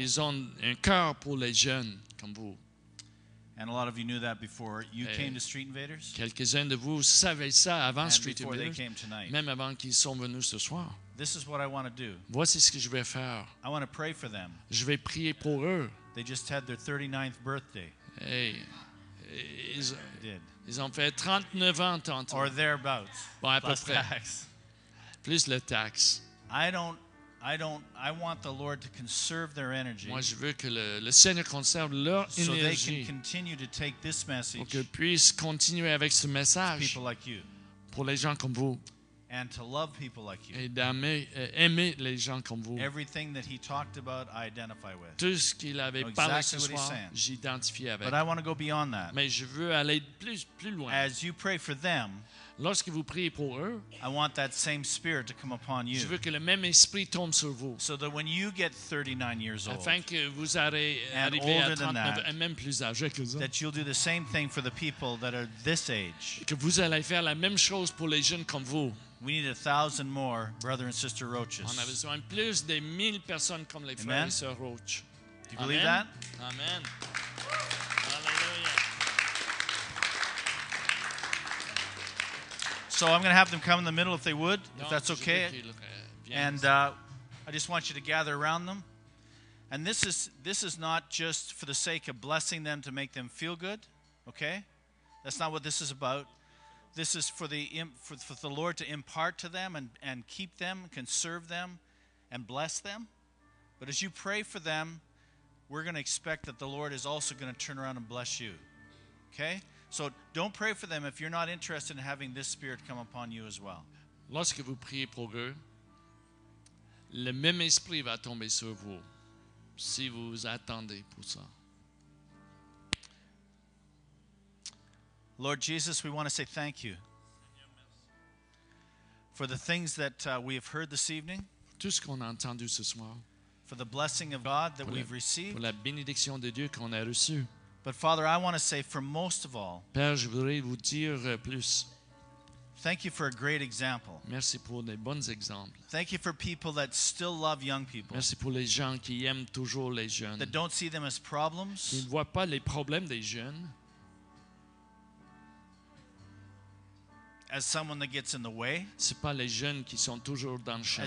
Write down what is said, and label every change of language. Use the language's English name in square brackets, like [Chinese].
[French] Ils ont un cœur pour les jeunes, comme vous. [English] And a lot of you knew that before you came to Street Invaders. [French] Quelques-uns de vous savaient ça avant Street Invaders. [English] They came tonight. [French] Même avant qu'ils sont venus ce soir. [English] This is what I want to do. [French] Voici ce que je vais faire. [English] I want to pray for them. [French] Je vais prier pour eux. [English] They just had their 39th birthday. Hey, [French] ils, [English] did. [French] Ils ont fait 39 ans tantôt. [English] Or thereabouts. [French] Bon, à plus peu près. [English] Tax. [French] Plus le taxe. [English] I want the Lord to conserve their energy. [French] Moi, je veux que le Seigneur conserve leur [English] so [French] énergie. [English] They can continue to take this message. [French] Pour qu'ils puissent continuer avec ce message. [English] People like you. [French] Pour les gens comme vous. [English] And to love people like you. [French] Et d'aimer les gens comme vous. [English] Everything that he talked about, I identify with. [French] Tout ce qu'il avait parlé ce soir, j'identifie avec. [English] But I want to go beyond that. [French] Mais je veux aller plus loin. [English] As you pray for them. [French] Lorsque vous priez pour eux, [English] I want that same spirit to come upon you. [French] Je veux que le même esprit tombe sur vous. [English] So that when you get 39 years old, [French] afin que vous allez arriver à 39 et même plus âgé que vous, [English] that you'll do the same thing for the people that are this age. [French] Que vous allez faire la même chose pour les jeunes comme vous. [English] We need 1,000 more brother and sister Roaches. [French] On a besoin plus de 1,000 personnes comme les frères et sœurs Roach. [English] Do you believe that? Amen. So I'm going to have them come in the middle if they would, if that's okay. And I just want you to gather around them. And this is not just for the sake of blessing them to make them feel good, okay? That's not what this is about. This is for the Lord to impart to them and keep them, conserve them, and bless them. But as you pray for them, we're going to expect that the Lord is also going to turn around and bless you, okay? So don't pray for them if you're not interested in having this spirit come upon you as well. [French] Lorsque vous priez pour eux, le même esprit va tomber sur vous si vous attendez pour ça. [English] Lord Jesus, we want to say thank you for the things that we have heard this evening. [French] Tout ce qu'on a entendu ce soir. [English] For the blessing of God that we've received. [French] Pour la bénédiction de Dieu qu'on a reçue. [English] But Father, I want to say for most of all, [French] Père, je voudrais vous dire plus. [English] Thank you for a great example. [French] Merci pour des bons exemples. [English] Thank you for people that still love young people. [French] Merci pour les gens qui aiment toujours les jeunes. [English] That don't see them as problems. [French] Qui ne voient pas les problèmes des jeunes. [English] As someone that gets in the way. [French] C'est pas les jeunes qui sont toujours dans le chemin.